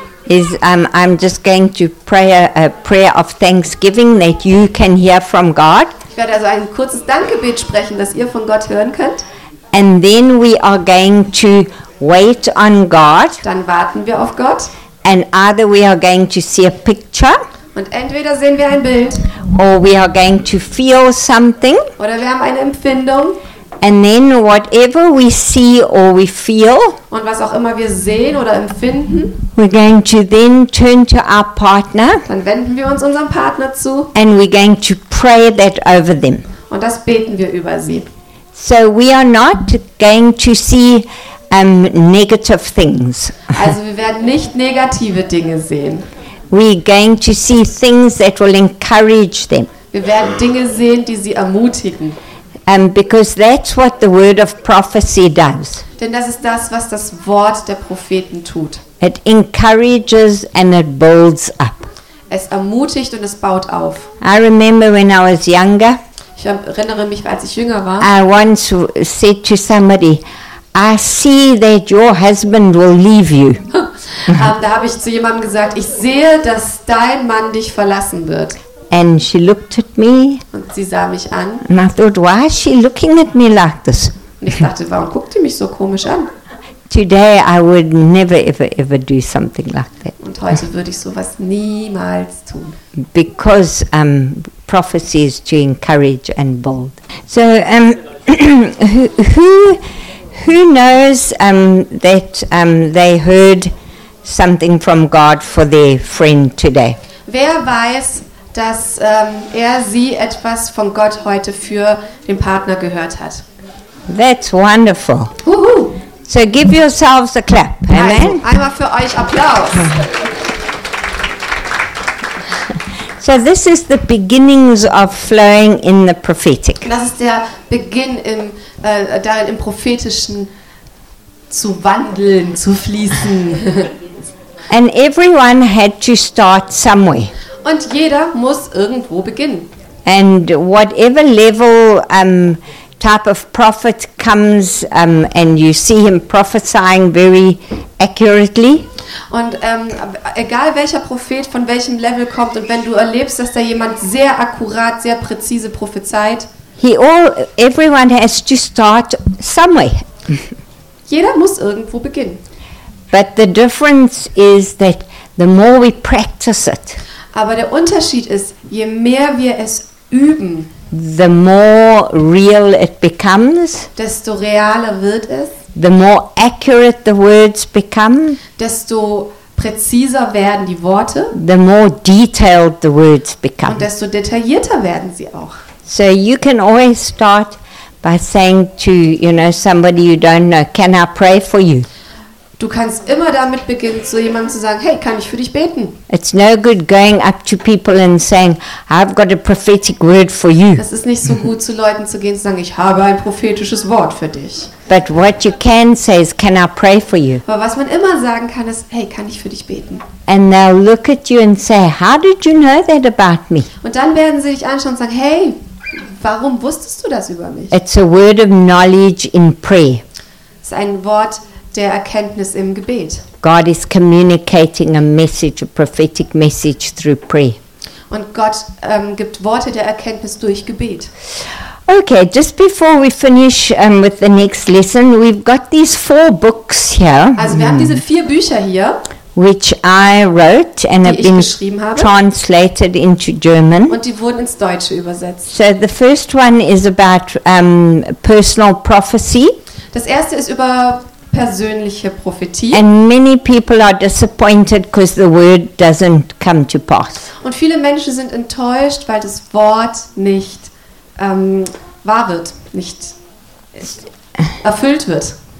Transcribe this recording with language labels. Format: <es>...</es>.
<en>Is I'm just going to pray a prayer of thanksgiving that you can hear from God.</en> <de>Ich werde also ein kurzes Dankgebet sprechen, das ihr von Gott hören könnt.</de> <en>And then we are going to wait on God.</en> <de>Dann warten wir auf Gott.</de> <en>And either we are going to see a picture.</en> <de>Und entweder sehen wir ein Bild.</de> <en>Or we are going to feel something.</en> <de>Oder wir haben eine Empfindung.</de> <en>And then whatever we see or we feel.</en> <de>Und was auch immer wir sehen oder empfinden.</de> <en>We're going to then turn to our partner.</en> <de>Dann wenden wir uns unserem Partner zu.</de> <en>And we're going to pray that over them.</en> <de>Und das beten wir über sie.</de> <en>So we are not going to see negative things.</en> <de>Also wir werden nicht negative Dinge sehen.</de> <en>We going to see things that will encourage them.</en> <de>Wir werden Dinge sehen, die sie ermutigen.</de> <en>Because that's what the word of prophecy does.</en> <de>Denn das ist das, was das Wort der Propheten tut.</de> <en>It encourages and it builds up.</en> <de>Es ermutigt und es baut auf.</de> <en>I remember when I was younger.</en> <de>Ich erinnere mich, als ich jünger war.</de> <en>I once said to somebody, I see that your husband will leave you.</en> <de>Da habe ich zu jemandem gesagt, ich sehe, dass dein Mann dich verlassen wird.</de> <en>And she looked at me.</en> <de>Und sie sah mich an.</de> <en>And I thought, why is she looking at me like this?</en> <de>Und ich dachte, warum guckt sie mich so komisch an?</de> <en>Today I would never ever ever do something like that.</en> <de>Und heute würde ich sowas niemals tun.</de> <en>Because prophecy is to encourage and build. So who knows that they heard something from God for their friend today?</en> <de>Wer weiß, dass sie etwas von Gott heute für den Partner gehört hat?</de> <en>That's wonderful. Woohoo. So give yourselves a clap. Amen.</en> <de>Also, einmal für euch Applaus.</de> <en>So this is the beginnings of flowing in the prophetic.</en> <de>Das ist der Beginn im darin im prophetischen zu wandeln, zu fließen.</de> <en>And everyone had to start somewhere.</en> <de>Und jeder muss irgendwo beginnen.</de> <en>And whatever level type of prophet comes and you see him prophesying very accurately.</en> <de>Und egal welcher Prophet von welchem Level kommt und wenn du erlebst, dass da jemand sehr akkurat, sehr präzise prophezeit,</de> <en>everyone has to start somewhere.</en> <de>Jeder muss irgendwo beginnen.</de> <en>But the difference is that the more we practice it.</en> <de>Aber der Unterschied ist, je mehr wir es üben,</de> <en>the more real it becomes,</en> <de>desto realer wird es,</de> <en>the more accurate the words become,</en> <de>desto präziser werden die Worte,</de> <en>the more detailed the words become,</en> <de>und desto detaillierter werden sie auch.</de> <en>So you can always start by saying to, you know, somebody you don't know, can I pray for you?</en> <de>Du kannst immer damit beginnen, zu jemandem zu sagen, hey, kann ich für dich beten?</de> <en>It's no good going up to people and saying, I've got a prophetic word for you.</en> <de>Es ist nicht so gut, zu Leuten zu gehen und zu sagen, ich habe ein prophetisches Wort für dich.</de> <en>But what you can say is, can I pray for you?</en> <de>Aber was man immer sagen kann, ist, hey, kann ich für dich beten?</de> <en>And they'll look at you and say, how did you know that about me?</en> <de>Und dann werden sie dich anschauen und sagen, hey, warum wusstest du das über mich?</de> <en>It's a word of knowledge in prayer.</en> <de>Es ist ein Wort der Erkenntnis im Gebet.</de> <en>God is communicating a message, a prophetic message through prayer.</en> <de>Und Gott gibt Worte der Erkenntnis durch Gebet.</de> <en>Okay, just before we finish with the next lesson, we've got these four books here.</en> <de>Also wir haben diese vier Bücher hier,</de> <en>which I wrote and have been translated into German.</en> <de>Und die wurden ins Deutsche übersetzt.</de> <en>So the first one is about personal prophecy.</en> <de>Das erste ist über persönliche Prophetie.</de> <en>And many people are disappointed because the word doesn't come to pass.</en> <de>Und viele Menschen sind enttäuscht, weil das Wort nicht wahr wird, nicht erfüllt wird.</de>